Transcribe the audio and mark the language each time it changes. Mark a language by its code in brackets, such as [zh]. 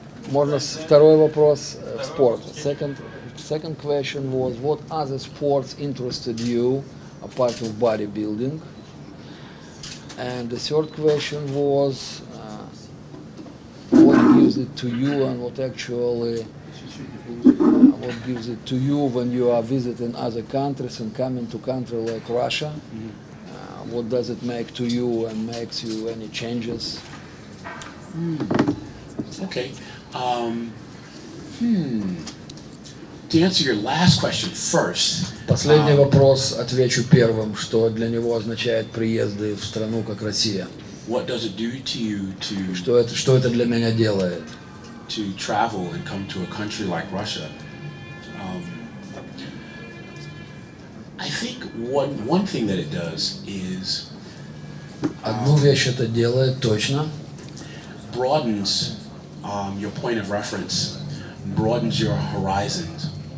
[ru] Можно второй вопрос в спорт. [en] Second question was what other sports interested you apart from bodybuilding? And the third question was what gives it to you and what actually what gives it to you when you are visiting other countries and coming to country like Russia? What does it make to you and makes you any changes? Okay. To answer your last question first. [ru] Последний вопрос отвечу первым, что для него означает приезды в страну, как Россия. [en] What does it do to you to? [ru] Что это для меня делает? [en] To travel and come to a country like Russia. I think one thing that it does is. [ru] Одну вещь это делает точно. [en] Broadens your point of reference, broadens your horizons.